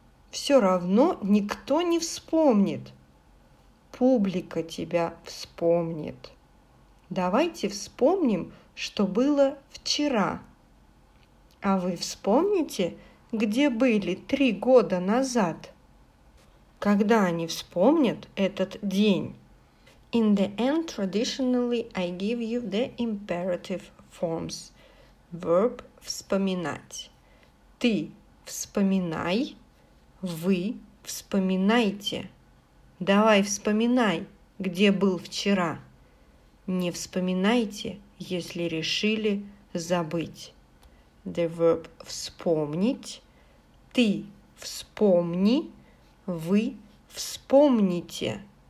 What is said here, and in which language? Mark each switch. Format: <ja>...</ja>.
<ru>Все равно никто не вспомнит. Публика тебя вспомнит. Давайте вспомним, что было вчера. А вы вспомните, где были 3 года назад? Когда они вспомнят этот день?</ru> <en>In the end, traditionally, I give you the imperative forms. Verb – вспоминать.</en> <ru>Ты вспоминай, вы вспоминайте. Давай вспоминай, где был вчера. Не вспоминайте, если решили забыть.</ru> <en>The verb</en> <ru>«вспомнить». Ты вспомни, вы вспомните.</ru>